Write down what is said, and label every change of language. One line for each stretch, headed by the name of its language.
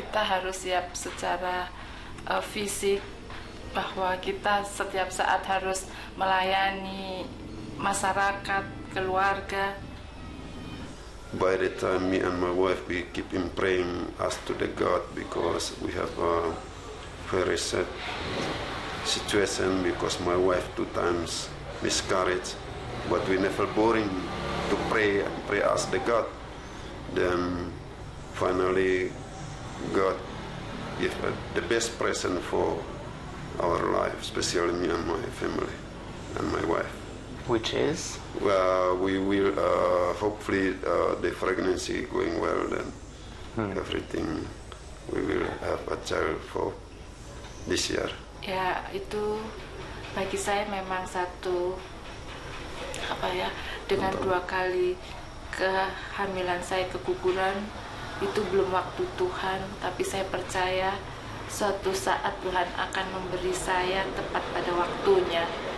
Indonesian: Kita harus siap secara fisik bahwa kita setiap saat harus melayani masyarakat, keluarga.
English: By the time me and my wife, we keep in praying, ask to the God, because we have a very sad situation, because my wife two times miscarried, but we never boring to pray and pray, ask the God. Then finally God give the best present for our life, especially me and my family and my wife. Which is? Well, we will hopefully the pregnancy going well, then everything. We will have a child for this year.
Indonesian: Ya, itu bagi saya memang satu apa ya, dengan dua kali kehamilan saya keguguran itu belum waktu Tuhan, tapi saya percaya suatu saat Tuhan akan memberi saya tepat pada waktunya.